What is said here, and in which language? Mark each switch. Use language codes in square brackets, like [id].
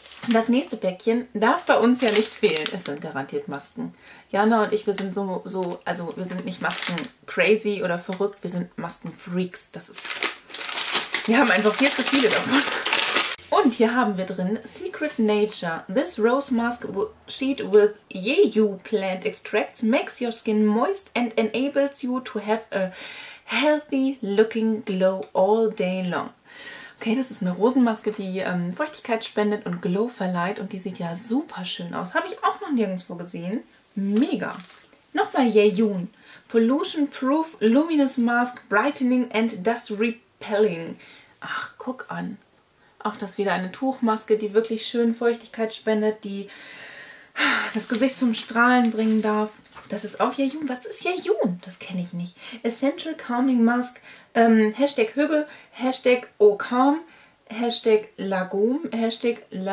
[de] Das nächste Päckchen darf bei uns ja nicht fehlen. Es sind garantiert Masken. Jana und ich, wir sind also wir sind nicht Masken-crazy oder verrückt, wir sind Masken-Freaks. Das ist... Wir haben einfach viel zu viele davon. Und hier haben wir drin Secret Nature. [en] This rose mask sheet with Yeyu plant extracts makes your skin moist and enables you to have a healthy looking glow all day long. [de] Okay, das ist eine Rosenmaske, die Feuchtigkeit spendet und Glow verleiht. Und die sieht ja super schön aus. Habe ich auch noch nirgendwo gesehen. Mega. Nochmal Yeyu. [en] Pollution Proof Luminous Mask Brightening and Dust Repelling. [de] Ach, guck an. Auch das wieder eine Tuchmaske, die wirklich schön Feuchtigkeit spendet, die das Gesicht zum Strahlen bringen darf. Das ist auch Yeyu. Was ist Yeyu? Das kenne ich nicht. Essential Calming Mask, Hashtag Hüge, Hashtag Ocalm, Hashtag Lagom, Hashtag